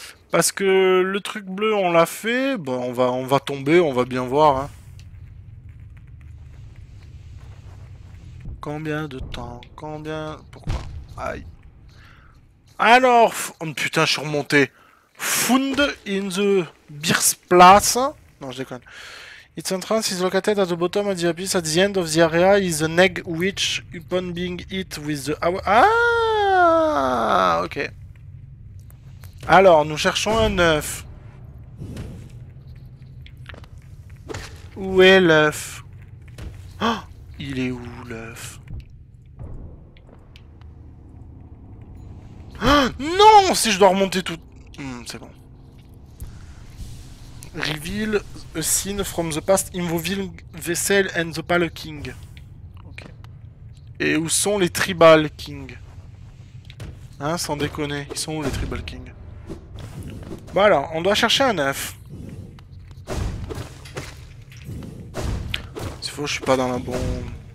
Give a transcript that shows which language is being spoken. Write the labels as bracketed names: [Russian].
[French] Parce que le truc bleu, on l'a fait. Bah, on va tomber, on va bien voir. Hein. Combien de temps? Combien. Pourquoi? Aïe. Alors, oh, putain, je suis remonté. [English] Found in the Birthplace. [French] Non, je déconne. [English] It's entrance is located at the bottom of the abyss. At the end of the area is an egg which, upon being hit with the. Ah! Ok. [French] Alors, nous cherchons un œuf. Où est l'œuf? Oh! Il est où l'œuf? Oh! Non! Si je dois remonter tout. C'est bon. [English] Reveal a scene from the past involving Vessel and the Pale King. Okay. [French] Et où sont les Tribal King? Hein, sans déconner, ils sont où les Tribal King? Voilà, on doit chercher un œuf. S'il faut, je suis pas dans la bonne.